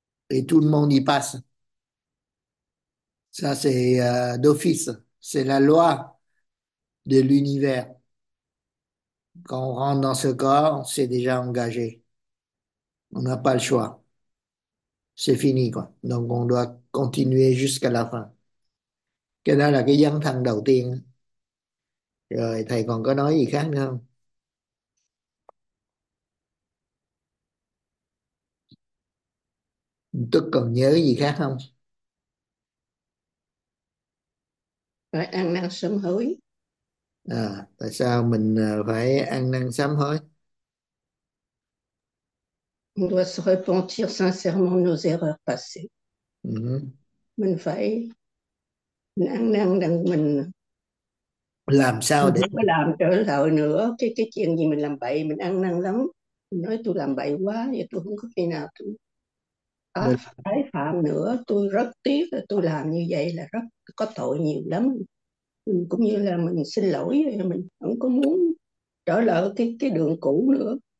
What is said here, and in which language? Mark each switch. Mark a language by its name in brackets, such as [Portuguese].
[French] Et tout le monde y passe. Ça, c'est d'office. C'est la loi de l'univers. Quand on rentre dans ce corps, on s'est déjà engagé. On n'a pas le choix. C'est fini, quoi. Donc, on doit continuer jusqu'à la fin. [Vietnamese] Cái đó là cái dấn thân đầu tiên. Rồi, thầy còn có nói gì khác nữa không? Tức còn nhớ gì khác không? Phải ăn năn sám hối. À, tại sao mình phải ăn năn sám hối? [French] On doit se repentir sincèrement nos erreurs passées. [Vietnamese] Mình phải ăn năn rằng mình làm sao mình để không có làm trở lại nữa cái chuyện gì mình làm bậy. Mình ăn năn lắm, mình nói tôi làm bậy quá và tôi không có khi nào tôi tái phạm nữa, tôi rất tiếc là tôi làm như vậy là rất có tội nhiều lắm, cũng như là mình xin lỗi, mình không có muốn trở lại cái đường cũ nữa.